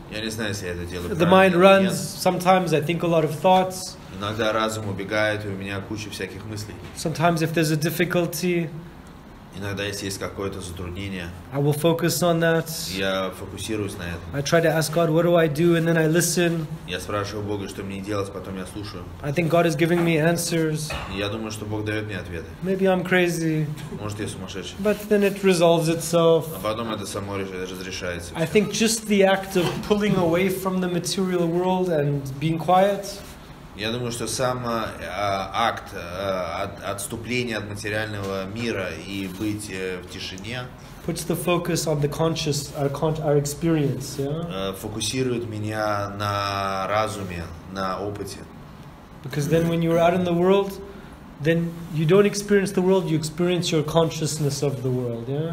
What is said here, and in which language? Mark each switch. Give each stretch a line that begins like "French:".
Russian: Я не знаю, если я это делаю.
English: The mind runs. Sometimes I think a lot of thoughts.
Russian: Иногда разум убегает, и у меня куча всяких мыслей.
English: Sometimes if there's a difficulty,
Russian: иногда если есть какое-то затруднение,
English: I will focus on that.
Russian: Я фокусируюсь на этом.
English: I try to ask God, what do I do, and then I listen.
Russian: Я спрашиваю Бога, что мне делать, потом я слушаю.
English: I think God is giving me answers.
Russian: Я думаю, что Бог дает мне ответы.
English: Maybe I'm crazy.
Russian: Может, я сумасшедший.
English: But then it resolves itself.
Russian: А потом это само разрешается.
English: I think just the act of pulling away from the material world and being quiet.
Russian: Я думаю, что сам акт отступления от материального мира и быть в тишине
English: puts the focus on the conscious, our experience, yeah?
Russian: Фокусирует меня на разуме, на опыте.
English: Because then when you're out in the world, then you don't experience the world, you experience your consciousness of the world, yeah?